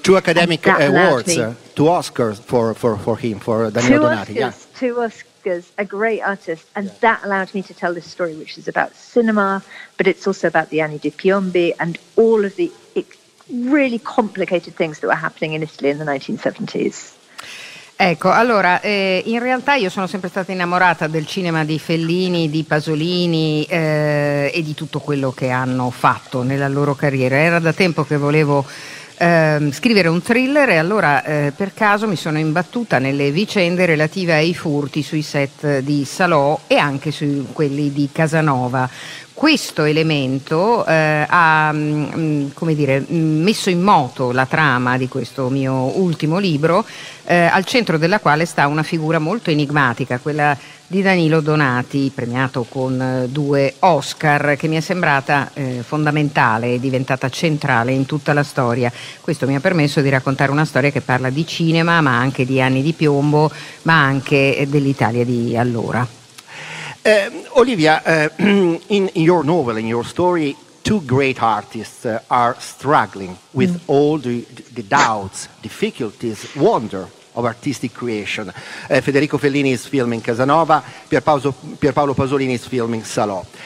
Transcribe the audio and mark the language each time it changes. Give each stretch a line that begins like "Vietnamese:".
English: Two Academic Awards, two Oscars for him, for Danilo Donati. Two Oscars, a great artist. And that allowed me to tell this story, which is about cinema, but it's also about the Anni di Piombi and all of the really complicated things that were happening in Italy in the 1970s.
Italian: Ecco, allora, in realtà io sono sempre stata innamorata del cinema di Fellini, di Pasolini e di tutto quello che hanno fatto nella loro carriera. Era da tempo che volevo scrivere un thriller e allora per caso mi sono imbattuta nelle vicende relative ai furti sui set di Salò e anche su quelli di Casanova. Questo elemento ha, come dire, messo in moto la trama di questo mio ultimo libro, al centro della quale sta una figura molto enigmatica, quella di Danilo Donati, premiato con due Oscar, che mi è sembrata fondamentale e diventata centrale in tutta la storia. Questo mi ha permesso di raccontare una storia che parla di cinema, ma anche di Anni di Piombo, ma anche dell'Italia di allora.
English: Olivia, in your novel, in your story, two great artists are struggling with all the doubts, difficulties, wonder of artistic creation. Federico Fellini is filming Casanova, Pierpaolo Pasolini is filming Salò.